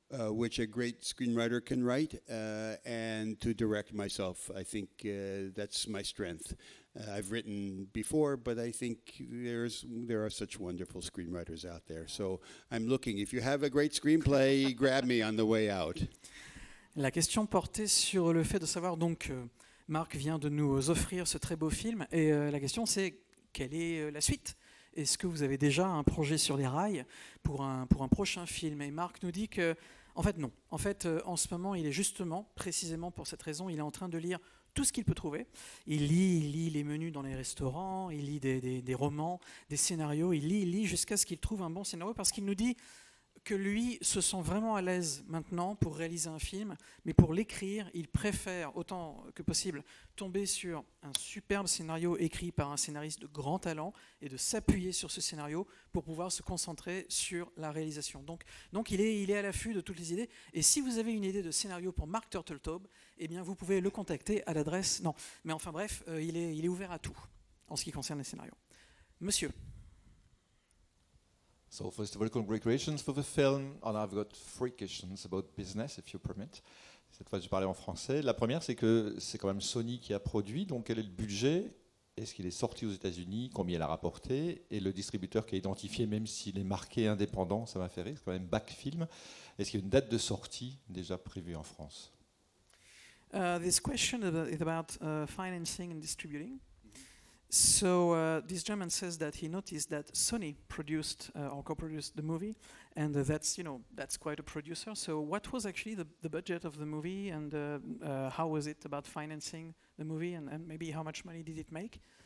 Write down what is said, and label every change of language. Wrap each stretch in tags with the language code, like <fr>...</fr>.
<en>which a great screenwriter can write, and to direct myself. I think that's my strength. I've written before, but I think there are such wonderful screenwriters out there. So I'm looking. If you have a great screenplay, grab me on the way out.</en> <fr>La question portait sur le fait de savoir donc Marc vient de nous offrir ce très beau film et la question c'est quelle est la suite? Est-ce que vous avez déjà un projet sur les rails pour un prochain film? Et Marc nous dit que en fait non. En fait en ce moment, il est justement précisément pour cette raison, il est en train de lire tout ce qu'il peut trouver. Il lit les menus dans les restaurants, il lit des romans, des scénarios, il lit jusqu'à ce qu'il trouve un bon scénario parce qu'il nous dit que lui se sent vraiment à l'aise maintenant pour réaliser un film, mais pour l'écrire, il préfère autant que possible tomber sur un superbe scénario écrit par un scénariste de grand talent et de s'appuyer sur ce scénario pour pouvoir se concentrer sur la réalisation. Donc il est à l'affût de toutes les idées. Et si vous avez une idée de scénario pour Marc Turtletaub, eh bien vous pouvez le contacter à l'adresse... Non, mais enfin bref, il est ouvert à tout en ce qui concerne les scénarios. Monsieur.</fr> <en>So first of all, congratulations for the film. And I've got three questions about business, if you permit.</en> <fr>Cette fois, je parlais en français. La première, c'est que c'est quand même Sony qui a produit. Donc, quel est le budget? Est-ce qu'il est sorti aux États-Unis? Combien il a rapporté? Et le distributeur qui a identifié, même s'il est marqué indépendant, ça m'a fait rire, c'est quand même Back Film. Est-ce qu'il y a une date de sortie déjà prévue en France?</fr> <en>This question is about financing and distributing. So this German says that he noticed that Sony produced or co-produced the movie, and that's quite a producer. So what was actually the budget of the movie, and how was it about financing the movie, and maybe how much money did it make?</en>